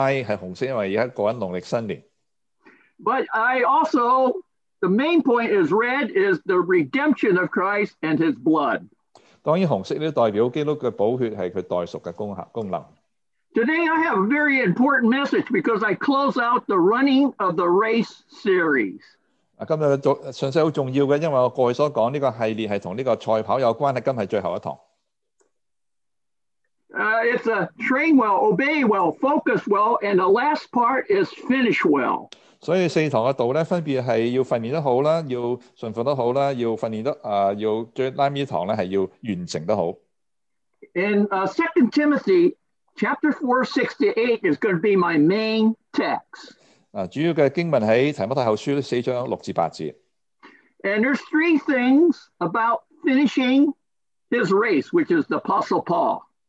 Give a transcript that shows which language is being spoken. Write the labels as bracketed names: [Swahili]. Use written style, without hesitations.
[Chinese] 今天戴一条应节颜色的tie，是红色，因为现在过紧农历新年。 [English] But I also, the main point is red is the redemption of Christ and his blood. [Chinese] 当然红色代表基督的宝血，是他代赎的功能。 [English] Today I have a very important message because I close out the running of the race series. [Chinese] 今天信息很重要的，因为我过去所讲这个系列是跟这个赛跑有关，今天是最后一堂。 [English] It's a train well, obey well, focus well, and the last part is finish well. [Chinese] 所以四堂的道分别是要训练得好，要顺服得好，要最拉面堂是要完成得好。 [English] In 2 Timothy chapter 4, 6 to 8 is going to be my main text. [Chinese] 主要的经文在提摩太后书4章6至8节。 [English] And there's three things about finishing his race, which is the Apostle Paul.